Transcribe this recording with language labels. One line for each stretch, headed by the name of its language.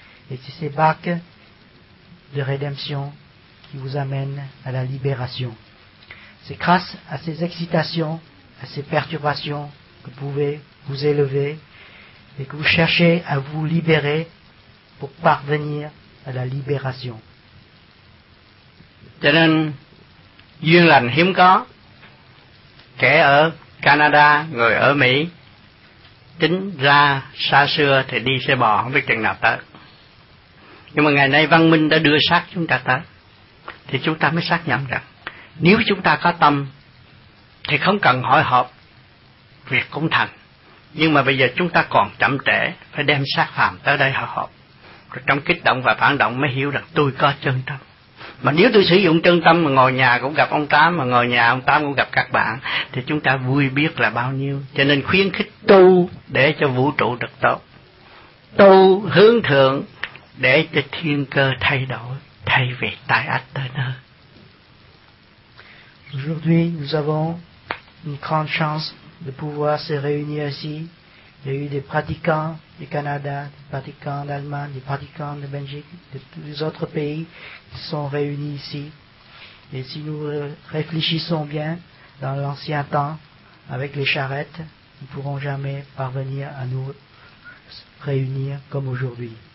French: Et c'est ces barques de rédemption qui vous amènent à la libération. C'est grâce à ces excitations, à ces perturbations, que vous pouvez vous élever et que vous cherchez à vous libérer pour parvenir à la libération.
Vietnamese: Cho nên duyên lành hiếm có, kẻ ở Canada, người ở Mỹ, tính ra xa xưa thì đi xe bò không biết chừng nào tới. Nhưng mà ngày nay văn minh đã đưa xác chúng ta tới, thì chúng ta mới xác nhận rằng, nếu chúng ta có tâm, thì không cần hội họp, việc cũng thành. Nhưng mà bây giờ chúng ta còn chậm trễ, phải đem xác phàm tới đây hội họp. Rồi trong kích động và phản động mới hiểu rằng tôi có chân tâm. Mà nếu tôi sử dụng chân tâm mà ngồi nhà cũng gặp ông Tám, mà ngồi nhà ông Tám cũng gặp các bạn, thì chúng ta vui biết là bao nhiêu. Cho nên khuyến khích tu để cho vũ trụ được tốt. Tu hướng thượng để cho thiên cơ thay đổi, thay vì tai ách tới nơi.
French: Aujourd'hui, nous avons une grande chance de pouvoir se réunir ici. Il y a eu des pratiquants du Canada, des pratiquants d'Allemagne, des pratiquants de Belgique, de tous les autres pays qui sont réunis ici. Et si nous réfléchissons bien, dans l'ancien temps, avec les charrettes, nous ne pourrons jamais parvenir à nous réunir comme aujourd'hui.